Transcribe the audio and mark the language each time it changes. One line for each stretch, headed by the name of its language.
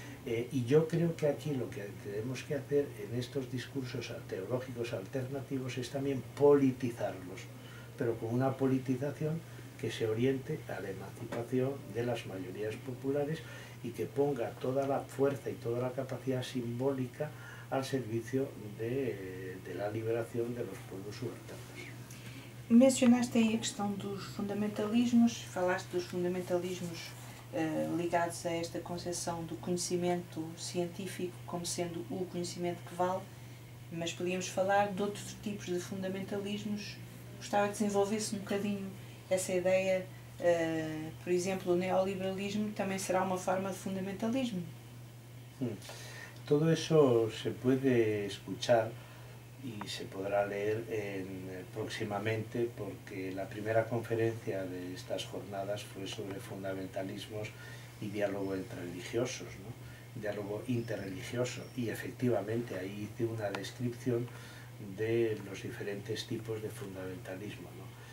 Spanish: Y yo creo que aquí lo que tenemos que hacer en estos discursos teológicos alternativos es también politizarlos, pero con una politización que se oriente a la emancipación de las mayorías populares y que ponga toda la fuerza y toda la capacidad simbólica al servicio de la liberación de los pueblos subalternos.
Portuguese: Mencionaste aí a questão dos fundamentalismos, falaste dos fundamentalismos ligados a esta concepção do conhecimento científico como sendo o conhecimento que vale, mas podíamos falar de outros tipos de fundamentalismos. Gostava que desenvolvesse um bocadinho essa ideia. Por exemplo, o neoliberalismo também será uma forma de fundamentalismo.
Spanish: Todo eso se puede escuchar y se podrá leer en, próximamente, porque la primera conferencia de estas jornadas fue sobre fundamentalismos y diálogo entre religiosos, ¿no? Diálogo interreligioso, y efectivamente ahí hice una descripción de los diferentes tipos de fundamentalismo, ¿no?